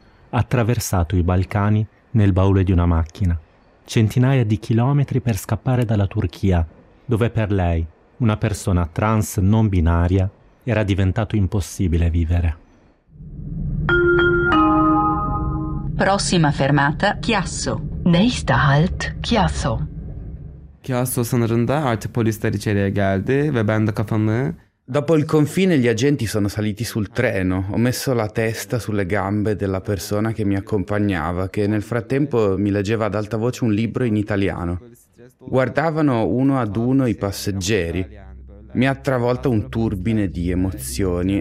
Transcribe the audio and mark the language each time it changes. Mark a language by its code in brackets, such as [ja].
[it] Ha attraversato i Balcani nel baule di una macchina, centinaia di chilometri per scappare dalla Turchia, dove per lei, una persona trans non binaria, era diventato impossibile vivere. Prossima fermata, Chiasso. [de] Nächster Halt, Chiasso. [tr] Chiasso sınırında artık polisler içeriye geldi ve ben de kafamı... [it] Dopo il confine, gli agenti sono saliti sul treno. Ho messo la testa sulle gambe della persona che mi accompagnava, che nel frattempo mi leggeva ad alta voce un libro in italiano. Guardavano uno ad uno i passeggeri. Mi ha travolto un turbine di emozioni.